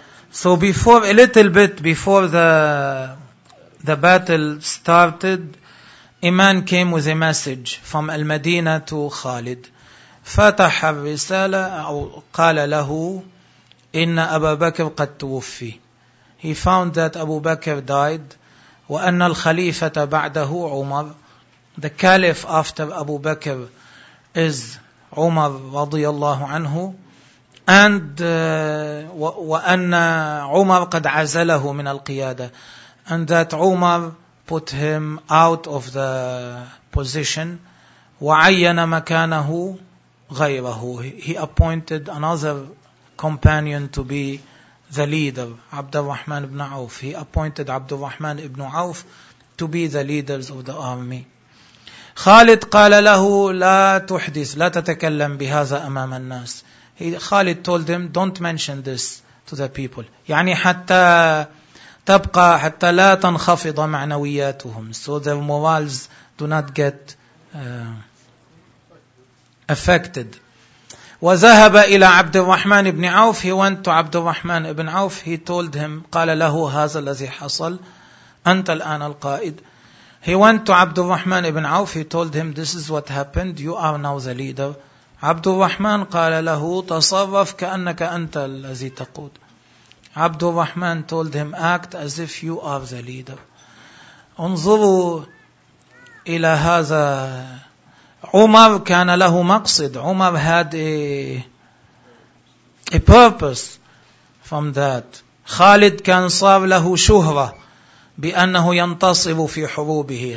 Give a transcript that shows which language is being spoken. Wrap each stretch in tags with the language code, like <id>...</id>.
<en>So before, a little bit before the battle started, a man came with a message from Al-Madinah to Khalid.</en> <ar>فتح الرسالة أو قال له إن أبا بكر قد توفي.</ar> <en>He found that Abu Bakr died</en> <ar>وأن الخليفة بعده عمر.</ar> <en>The caliph after Abu Bakr is عمر رضي الله عنه.</en> <ar>And وأن عمر قد عزله من القيادة.</ar> <en>And that عمر put him out of the position.</en> <ar>وعين مكانه غيره.</ar> <en>He appointed another companion to be the leader, عبد الرحمن بن عوف. He appointed عبد الرحمن بن عوف to be the leaders of the army.</en> <ar>خالد قال له لا تحدث, لا تتكلم بهذا أمام الناس.</ar> <en>خالد told him, don't mention this to the people.</en> <ar>يعني حتى تبقى حتى لا تنخفض معنوياتهم.</ar> <en>So their morals do not get affected.</en> <ar>وذهب إلى عبد الرحمن بن عوف.</ar> <en>He went to</en> <ar>عبد الرحمن بن عوف.</ar> <en>He told him,</en> <ar>قال له هذا الذي حصل. أنت الآن القائد.</ar> <en>He went to عبد الرحمن بن عوف. He told him, this is what happened. You are now the leader.</en> <ar>عبد الرحمن قال له تصرف كأنك أنت الذي تقود.</ar> <en>عبد الرحمن told him, act as if you are the leader.</en> <ar>انظروا إلى هذا. عمر كان له مقصد.</ar> <en>عمر had a purpose from that.</en> <ar>خالد كان صار له شهرة بأنه ينتصر في حروبه.</ar>